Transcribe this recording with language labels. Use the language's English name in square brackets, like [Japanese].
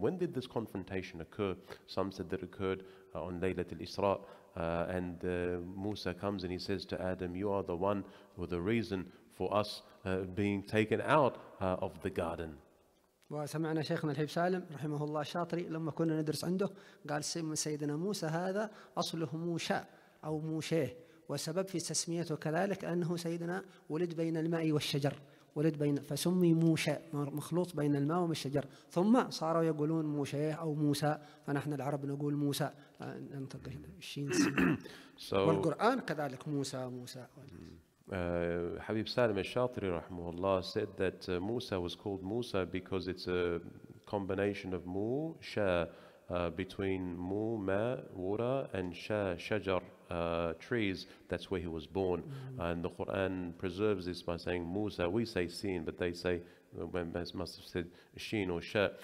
[English] And when did this confrontation occur? Some said that it occurred on Laylatul Isra. And Musa comes and he says to Adam, you are the one who the reason for us being taken out of the garden. [Arabic] وسمعنا شيخنا الحبيب سالم رحمه الله الشاطري لما كنا ندرس عنده قال سيدنا موسى هذا أصله موشى أو موشيه, وسبب في تسميته كذلك أنه سيدنا ولد بين الماء والشجر, ولد بين, فسمي موشى مخلوط بين الماء والشجر, ثم صاروا يقولون موشيه أو موسى, فنحن العرب نقول موسى ننطق الشين والقرآن كذلك موسى موسى. [English] Habib Salim al-Shatri rahmahullah said that Musa was called Musa because it's a combination of Mu, Sha, between Mu, Ma, Wura, and Sha, Shajar, trees. That's where he was born. Mm-hmm. And the Quran preserves this by saying Musa, we say Sin, but they say, must have said Sheen or Sha.